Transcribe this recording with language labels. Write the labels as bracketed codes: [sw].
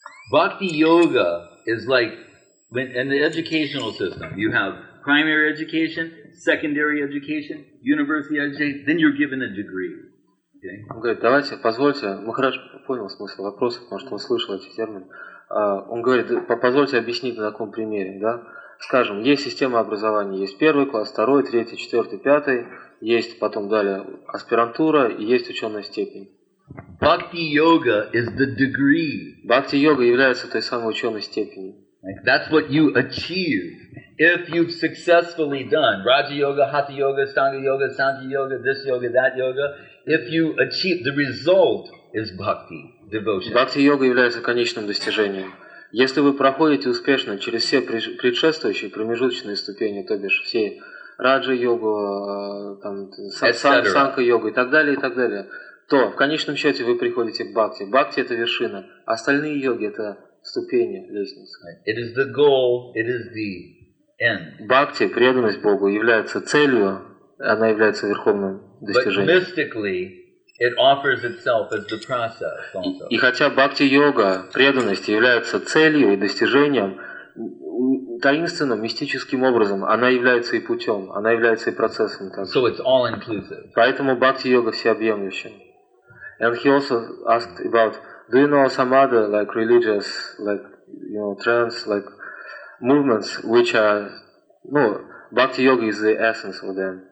[en] Bhakti yoga is like, in the educational system, you have primary education, secondary education, university education, then you're given a degree. Okay? [ru] Он говорит, давайте, позвольте, Махарадж понял смысл вопроса, потому что он слышал эти термины. Он говорит, позвольте объяснить на таком примере, да? Скажем, есть система образования, есть первый класс, второй, третий, четвертый, пятый, есть потом далее аспирантура и есть ученая степень. [en] Бхакти-йога is the degree. [ru] Бхакти-йога является той самой ученой степенью. [en] Right. That's what you achieve if you've successfully done Raja Yoga, Hatha Yoga, Sangha Yoga, Santi Yoga, this Yoga, that Yoga. If you achieve, the result is bhakti, devotion. [ru] Bhakti Yoga является конечным достижением. Если вы проходите успешно через все предшествующие промежуточные ступени, то бишь все Раджа Йогу, Санха Йога и так далее, то в конечном счете вы приходите к бхакти. Бхакти это вершина, остальные йоги это ступени, лестница. [en] It is the goal, it is the end. [ru] Бхакти, преданность Богу, является целью, она является верховным достижением. [en] But mystically, it offers itself as the process also. [ru] И хотя бхакти-йога, преданность, является целью и достижением, таинственным, мистическим образом, она является и путем, она является и процессом. [en] So it's all inclusive. [ru] Поэтому бхакти-йога всеобъемлющая. [en] And he also asked about, do you know some other like religious, like you know, trends, like movements which are, no, bhakti yoga is the essence of them.